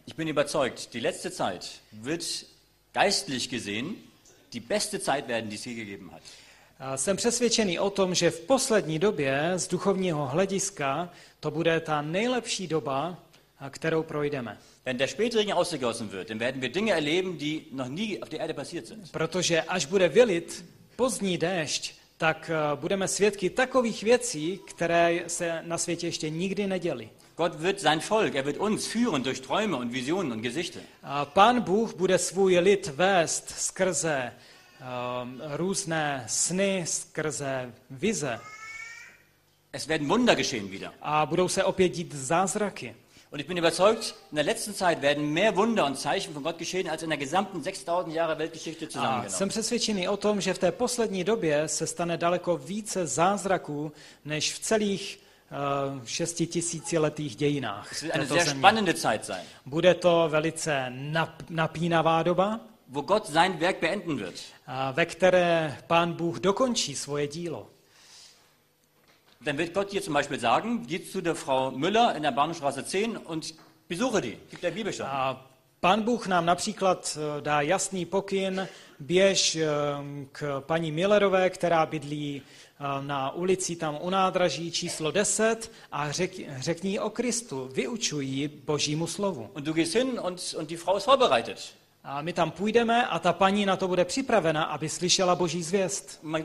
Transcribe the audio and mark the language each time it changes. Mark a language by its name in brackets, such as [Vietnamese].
[German] Ich bin überzeugt, die letzte Zeit wird geistlich gesehen die beste Zeit werden, die sie gegeben hat. [Czech] Jsem přesvědčený o tom, že v poslední době z duchovního hlediska to bude ta nejlepší doba, kterou projdeme. [German] Wenn der Spätregen ausgegossen wird, dann werden wir Dinge erleben, die noch nie auf der Erde passiert sind. [Czech] Protože až bude vylit pozdní déšť, tak budeme svědky takových věcí, které se na světě ještě nikdy neděly. [German] Gott wird sein Volk, er wird uns führen durch Träume und Visionen und Gesichter. [Czech] Pán Bůh bude svůj lid vést skrze různé sny, skrze vize. [German] Es werden Wunder geschehen wieder. [Czech] A budou se opět dít zázraky. [German] Und ich bin überzeugt, in der letzten Zeit werden mehr Wunder und Zeichen von Gott geschehen als in der gesamten 6000 Jahre Weltgeschichte zusammengenommen. [Czech] Jsem přesvědčený o tom, že v té poslední době se stane daleko více zázraků než v celých 6000letých dějinách. [German] Es wird eine sehr spannende Zeit sein. [Czech] Bude to velice napínavá doba, [German] wo Gott sein Werk beenden wird. [Czech] Ve které Pán Bůh dokončí svoje dílo. [German] Dann wird Gott dir zum Beispiel sagen, geh zu der Frau Müller in der Bahnhofstraße 10 und besuche die, gib der Bibel schon. [Czech] Pán Bůh nám například dá jasný pokyn, běž k paní Müllerové, která bydlí na ulici tam u nádraží číslo 10 a řekni o Kristu, vyučuj ji Božímu slovu. [German] Und du gehst hin und die Frau ist vorbereitet. [Czech] A my tam půjdeme a ta paní na to bude připravena, aby slyšela Boží zvěst.